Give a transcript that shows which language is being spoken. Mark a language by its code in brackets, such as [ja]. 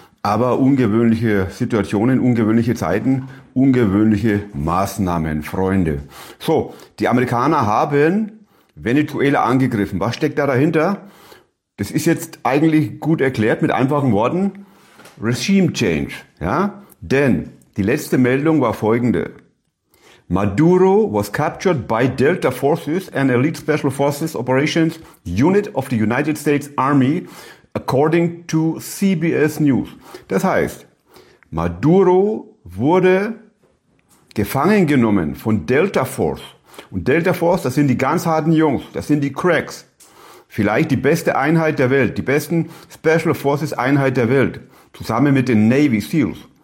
[de] Aber ungewöhnliche Situationen, ungewöhnliche Zeiten, ungewöhnliche Maßnahmen, Freunde. So, die Amerikaner haben Venezuela angegriffen. Was steckt da dahinter? Das ist jetzt eigentlich gut erklärt mit einfachen Worten. Regime Change, ja. Denn die letzte Meldung war folgende. [en] Maduro was captured by Delta Forces and Elite Special Forces Operations Unit of the United States Army, according to CBS News. [de] Das heißt, Maduro wurde gefangen genommen von Delta Force. Und Delta Force, das sind die ganz harten Jungs, das sind die Cracks. Vielleicht die beste Einheit der Welt, die besten Special Forces Einheit der Welt, zusammen mit den Navy SEALs.